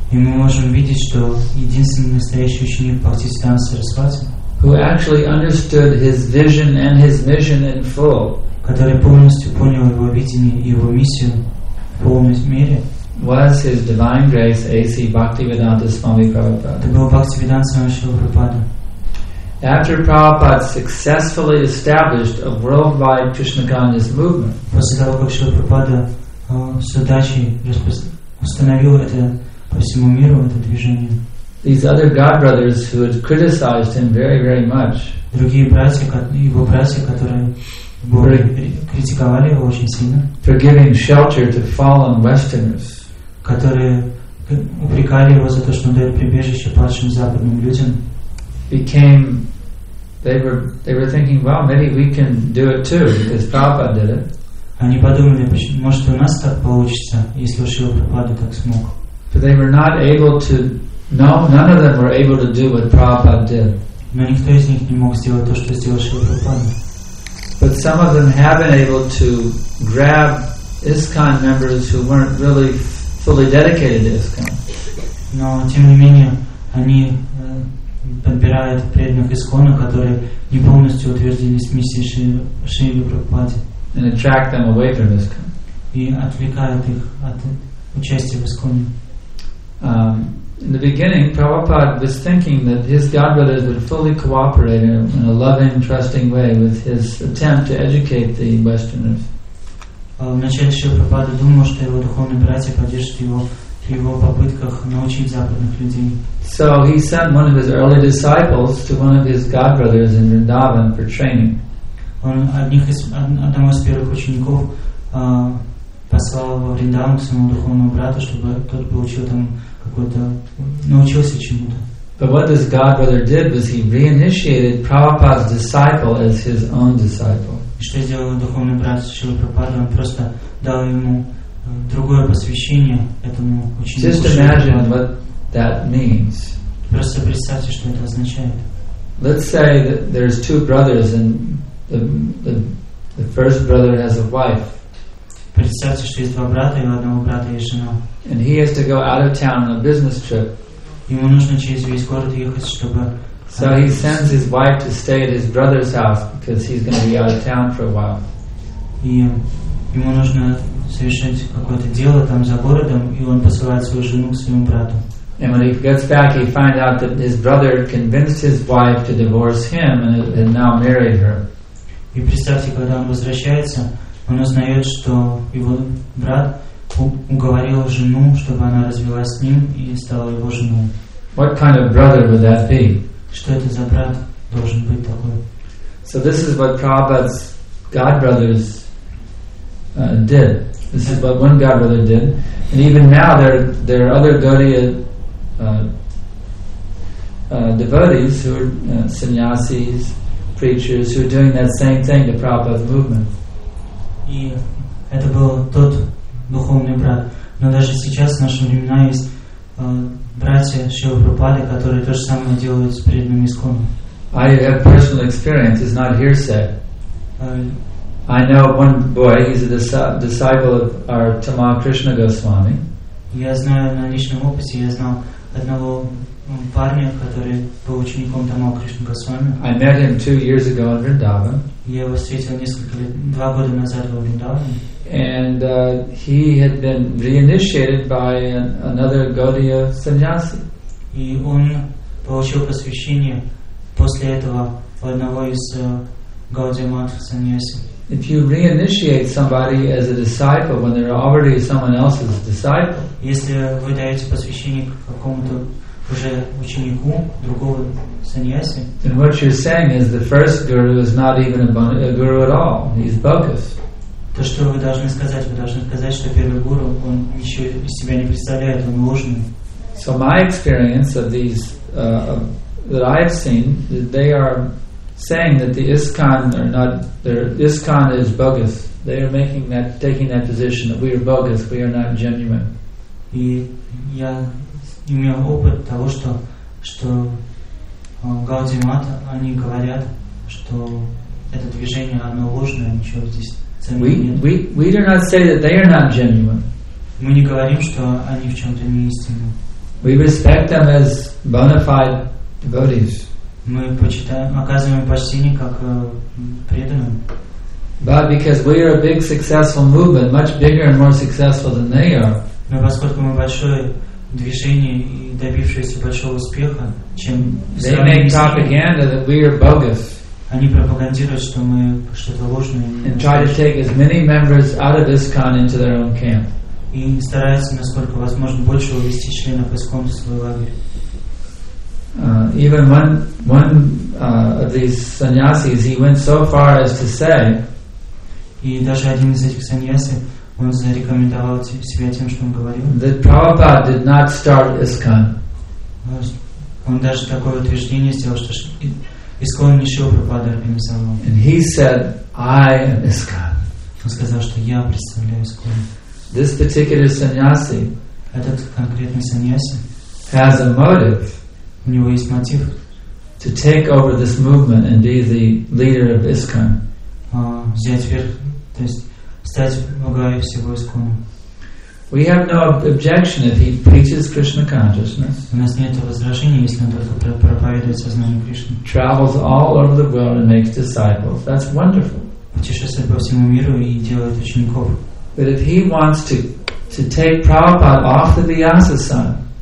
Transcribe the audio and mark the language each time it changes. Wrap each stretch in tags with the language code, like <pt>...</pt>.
<ru>И мы можем видеть, что единственный настоящий ученик Бхакти Сиддханты Сарасвати,</ru> <en>who actually understood his vision and his mission in full,</en> <ru>который полностью понял его видение и его миссию в полной мере,</ru> <en>was his divine grace A.C. Bhaktivedanta Swami Prabhupada.</en> <ru>Это был Бхактивиданта Свами Прабхупада.</ru> <en>After Prabhupada successfully established a worldwide Krishna consciousness movement,</en> <ru>после того как Шрила Прабхупада с удачей установил это по всему миру это движение,</ru> <en>these other God brothers who had criticized him very, very much,</en> <ru>другие братья, его братья, которые критиковали его очень сильно,</ru> <en>for giving shelter to fallen Westerners,</en> <ru>которые упрекали его за то, что он дает прибежище падшим западным людям,</ru> <en>became, they were thinking, well, maybe we can do it too because Prabhupada did it.</en> <ru>Они подумали, может у нас так получится, если Шрила Прабхупада так смог.</ru> <en>But they were not able to. No, none of them were able to do what Prabhupada did.</en> <ru>Но никто из них не мог сделать то, что сделал Шрила Прабхупада.</ru> <en>But some of them have been able to grab ISKCON members who weren't really fully dedicated to ISKCON.</en> <ru>Но тем не менее они подбирают преданных ИСКОНа, которые не полностью утвердились в миссии Шрилы Прабхупады.</ru> <en>And attract them away from ISKCON.</en> <ru>И отвлекают их от участия в ИСКОНе.</ru> <en>In the beginning, Prabhupada was thinking that his godbrothers would fully cooperate in a loving, trusting way with his attempt to educate the Westerners.</en> <ru>Вначале Шрила Прабхупада думал, что его духовные братья поддержат его в его попытках научить западных людей.</ru> <en>So he sent one of his early disciples to one of his godbrothers in Vrindavan for training.</en> <ru>Он одного из первых учеников послал во Вриндаван к своему духовному брату, чтобы тот получил там какой-то, научился чему-то.</ru> <en>But what this godbrother did was he reinitiated Prabhupada's disciple as his own disciple.</en> <ru>Что сделал духовный брат Шрилы Прабхупады? Он просто дал ему другое посвящение этому ученику.</ru> <en>Just imagine what that means.</en> <ru>Просто представьте, что это означает.</ru> <en>Let's say that there's two brothers and the first brother has a wife.</en> <ru>Представьте, что есть два брата, и у одного брата есть жена.</ru> <en>And he has to go out of town on a business trip.</en> <ru>Ему нужно через весь город ехать, чтобы.</ru> <en>So he sends his wife to stay at his brother's house because he's going to be out of town for a while.</en> <ru>И ему нужно совершить какое-то дело там за городом, и он посылает свою жену к своему брату.</ru> <en>And when he gets back, he finds out that his brother convinced his wife to divorce him and now married her.</en> <ru>И представьте, когда он возвращается, он узнает, что его брат уговорил жену, чтобы она развелась с ним и стала его женой.</ru> <en>What kind of brother would that be?</en> <ru>Что это за брат должен быть такой?</ru> <en>So this is what Prabhupada's God brothers did. This is what one God brother did. And even now there are other Gaudiya devotees who are sannyasis, preachers, who are doing that same thing to Prabhupada's movement.</en> <ru>И это был тот духовный брат. Но даже сейчас в наши времена есть братья Шрилы Прабхупады, которые то же самое делают с преданным ИСКОН.</ru> <en>I have personal experience, it's not hearsay. I know one boy, he's a disciple of our Tama Krishna Goswami.</en> <ru>Я знаю на личном опыте, я знал одного парня, который был учеником Тама Кришна Госвами.</ru> <en>I met him 2 years ago in Vrindavan.</en> <ru>Я его встретил несколько лет, 2 года назад во Вриндаване.</ru> <en>And he had been reinitiated by another Gaudiya sannyasi.</en> <ru>И он получил посвящение после этого у одного из Gaudiya Math sannyasi.</ru> <en>If you reinitiate somebody as a disciple when they're already someone else's disciple,</en> <ru>если вы даете посвящение какому-то уже ученику другого саньяси.</ru> <en>And what you're saying is the first guru is not even a guru at all. He's bogus.</en> <ru>То, что вы должны сказать, что первый гуру, он еще из себя не представляет, он ложный.</ru> <en>So my experience of these that I've seen, they are saying that the ISKCON are not, their ISKCON is bogus. They are making that, taking that position that we are bogus, we are not genuine.</en> <ru>И я имел опыт того, что Гауди Мата, они говорят, что это движение оно ложное, ничего здесь ценного нет.</ru> <en>We do not say that they are not genuine.</en> <ru>Мы не говорим, что они в чем-то не истинны.</ru> <en>We respect them as bona fide devotees.</en> <ru>Мы почитаем, оказываем почтение как преданным.</ru> <en>But because we are a big successful movement, much bigger and more successful than they are.</en> <ru>Но поскольку мы большое движение и добившееся большого успеха, чем</ru> <en>they make propaganda that we are bogus.</en> <ru>Они пропагандируют, что мы что-то ложное.</ru> <en>And try to take as many members out of ISKCON into their own camp.</en> <ru>И стараются, насколько возможно, больше увести членов ИСКОН в свой лагерь.</ru> <en>Even one of these sannyasis, he went so far as to say.</en> <ru>И даже один из этих саньяси, он зарекомендовал себя тем, что он говорил.</ru> <en>That Prabhupada did not start ISKCON.</en> <ru>Он даже такое утверждение сделал, что ИСКОН не шел Прабхупада организовал.</ru> <en>And he said, I am ISKCON.</en> <ru>Он сказал, что я представляю ИСКОН.</ru> <en>This particular sannyasi,</en> <ru>этот конкретный саньяси,</ru> <en>has a motive.</en> <ru>У него есть мотив.</ru> <en>To take over this movement and be the leader of ISKCON.</en> <ru>Взять верх, то есть стать во главе всего ИСКОНа.</ru> <en>We have no objection if he preaches Krishna consciousness.</en> <ru>У нас нет возражений, если он только проповедует сознание Кришны.</ru> <en>Travels all over the world and makes disciples. That's wonderful.</en> <ru>Путешествует по всему миру и делает учеников.</ru> <en>But if he wants to take Prabhupada off the Vyasa Sun,</en>